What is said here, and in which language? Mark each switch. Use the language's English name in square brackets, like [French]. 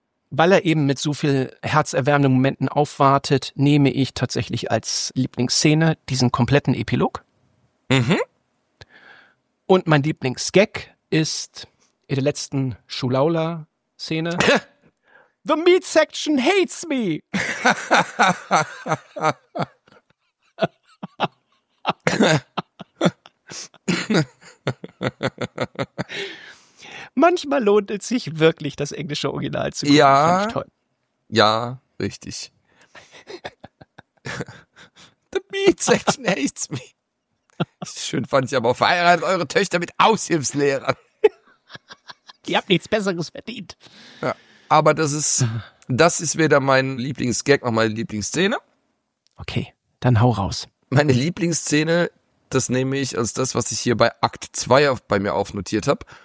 [German] Weil er eben mit so viel herzerwärmenden Momenten aufwartet, nehme ich tatsächlich als Lieblingsszene diesen kompletten Epilog. Und mein Lieblingsgag ist in der letzten Schulaula-Szene. [English] The meat section hates me! [German] Manchmal lohnt es sich wirklich, das englische Original zu gucken. Ja, finde ich toll. Ja, richtig. [English] The meat section hates me. [German] Schön fand ich aber, verheiratet eure Töchter mit Aushilfslehrern. Ihr habt nichts Besseres verdient. Ja, aber das ist weder mein Lieblingsgag noch meine Lieblingsszene. Okay, dann hau raus. Meine Lieblingsszene, das nehme ich als das, was ich hier bei Akt 2 bei mir aufnotiert habe.